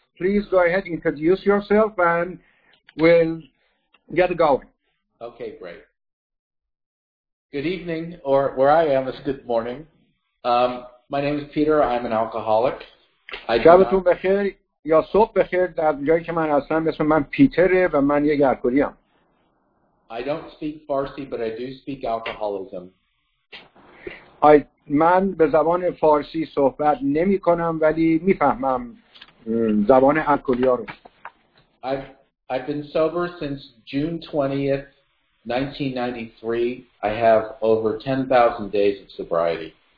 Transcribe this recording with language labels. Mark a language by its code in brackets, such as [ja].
[en] Please go ahead introduce yourself and we'll get going. Okay, great. Good evening, or where I am, it's good morning. My name is Peter. I'm an alcoholic. [fa] شبتون بخیر یا صبح بخیر در جایی که من هستم اسم من پیتره و من یک الکلیم. [en] I don't speak Farsi, but I do speak alcoholism. [fa] من به زبان فارسی صحبت نمی کنم ولی می فهمم زبان الکلیا رو. [en] I've been sober since June 20th, 1993. I have over 10,000 days of sobriety.